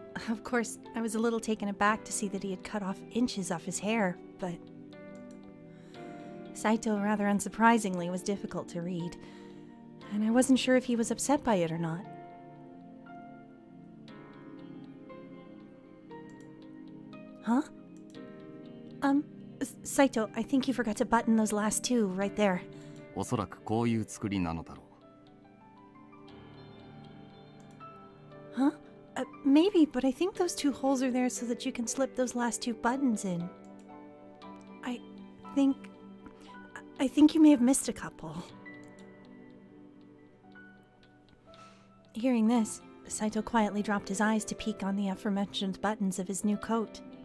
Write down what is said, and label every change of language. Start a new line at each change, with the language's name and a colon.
English: Of course, I was a little taken aback to see that he had cut off inches off his hair, but Saito, rather unsurprisingly, was difficult to read. And I wasn't sure if he was upset by it or not. Huh? Saito, I think you forgot to button those last two right there.
Japanese: おそらくこういう作りなのだろう。
English: Huh? Maybe, but I think those two holes are there so that you can slip those last two buttons in. I think you may have missed a couple. Hearing this, Saito quietly dropped his eyes to peek on the aforementioned buttons of his new coat.